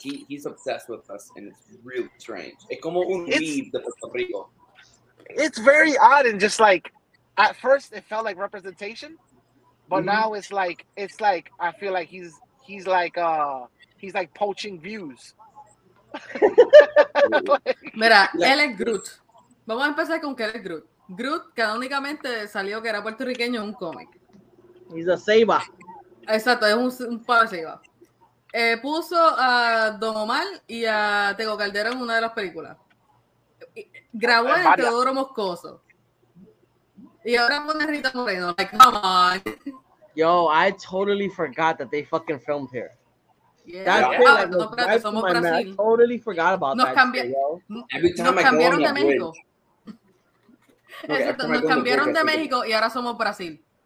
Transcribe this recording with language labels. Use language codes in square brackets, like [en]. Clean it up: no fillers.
[en] He's obsessed with us, and it's really strange. [es] Es como un weed de Puerto Rico. [en] It's very odd, and just like... At first, it felt like representation, but mm-hmm. now it's like I feel like he's like poaching views. [es] Like, mira, él es Groot. Vamos a empezar con que él es Groot. Groot canónicamente salió que era puertorriqueño en un cómic. [en] He's a Ceiba. [es] Exacto, es un par Ceiba. Puso a Don Omar y a Tego Caldera en una de las películas. Grabó a Teodoro Moscoso. Y ahora pone Rita Moreno, like, come on. [en] Yo, I totally forgot that they fucking filmed here. Yeah. That's yeah. Cool. No, like, no, somos Brasil. Man, I totally forgot about [es] nos [en] that. [es] Nos cambiaron de México y ahora somos Brasil.